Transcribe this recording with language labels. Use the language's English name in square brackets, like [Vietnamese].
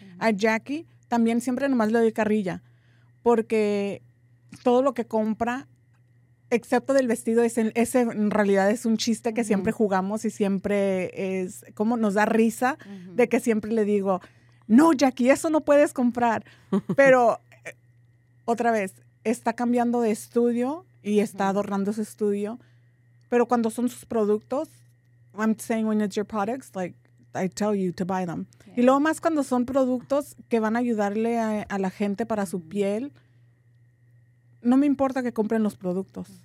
[Spanish] Uh-huh. A Jackie también siempre nomás le doy carrilla, porque todo lo que compra, excepto del vestido, ese en realidad es un chiste que siempre jugamos y siempre es como nos da risa de que siempre le digo, no, Jackie, eso no puedes comprar. Pero otra vez, está cambiando de estudio y está adornando su estudio. Pero cuando son sus productos, [English] I'm saying when it's your products, like I tell you to buy them. Yeah. [Spanish] Y luego más cuando son productos que van a ayudarle a la gente para su piel, no me importa que compren los productos.